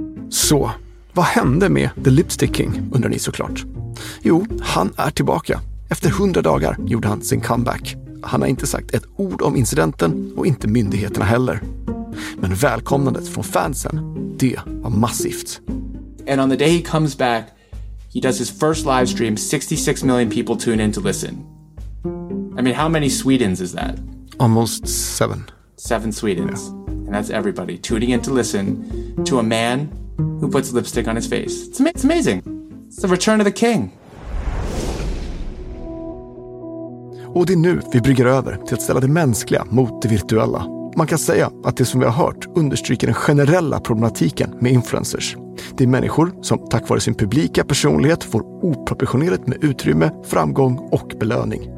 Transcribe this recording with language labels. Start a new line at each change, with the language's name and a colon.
Swedish: Så, vad hände med The Lipsticking, undrar ni såklart? Jo, han är tillbaka. Efter 100 dagar gjorde han sin comeback. Han har inte sagt ett ord om incidenten och inte myndigheterna heller. Men välkomnandet från fansen, det var massivt.
English: And on the day he comes back, he does his first live stream, 66 million people tune in to listen. I mean, how many Swedens is that? Almost seven. Seven Swedens. Yeah. And that's everybody tuning in to listen to a man who puts lipstick on his face. It's amazing. It's the return of the king.
Swedish: Och det är nu vi brygger över till att ställa det mänskliga mot det virtuella. Man kan säga att det som vi har hört understryker den generella problematiken med influencers. Det är människor som tack vare sin publika personlighet får oproportionerligt med utrymme, framgång och belöning.